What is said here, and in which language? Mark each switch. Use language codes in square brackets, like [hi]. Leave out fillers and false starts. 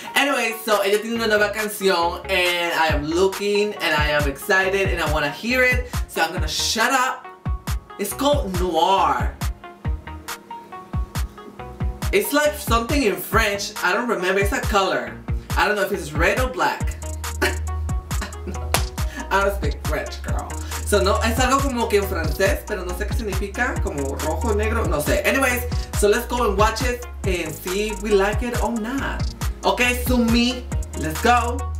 [en] Anyway, so [es] ella tiene una nueva canción [en] and I am looking and I am excited and I wanna hear it. So I'm gonna shut up. It's called Noir. It's like something in French. I don't remember. It's a color. I don't know if it's red or black. I don't speak French, girl. [es] So no, es algo como que en francés, pero no sé qué significa, como rojo, negro, no sé. [en] Anyways, so let's go and watch it and see if we like it or not. Okay, Sunmi, let's go.